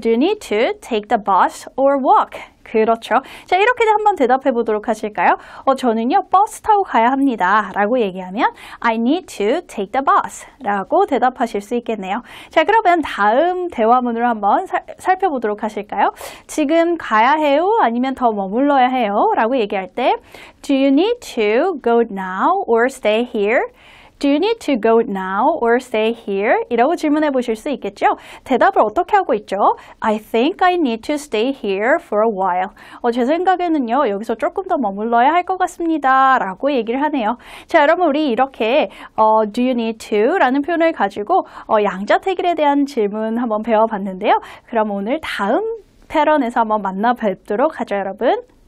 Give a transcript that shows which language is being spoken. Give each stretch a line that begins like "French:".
English: Do you need to take the bus or walk?
Korean: 그렇죠. 자, 이렇게 한번 대답해 보도록 하실까요? 저는요, 버스 타고 가야 합니다. 라고 얘기하면
English: I need to take the bus.
Korean: 라고 대답하실 수 있겠네요. 자, 그러면 다음 대화문으로 한번 살펴보도록 하실까요? 지금 가야 해요? 아니면 더 머물러야 해요? 라고 얘기할 때
English: Do you need to go now or stay here? Do you need to go now or stay here?
Korean: 이라고 질문해 보실 수 있겠죠? 대답을 어떻게 하고 있죠?
English: I think I need to stay here for a while.
Korean: 제 생각에는요, 여기서 조금 더 머물러야 할 것 같습니다. 라고 얘기를 하네요. 자, 여러분, 우리 이렇게
English: Do you need to?
Korean: 라는 표현을 가지고 양자택일에 대한 질문 한번 배워봤는데요. 그럼 오늘 다음 패턴에서 한번 만나 뵙도록 하죠, 여러분.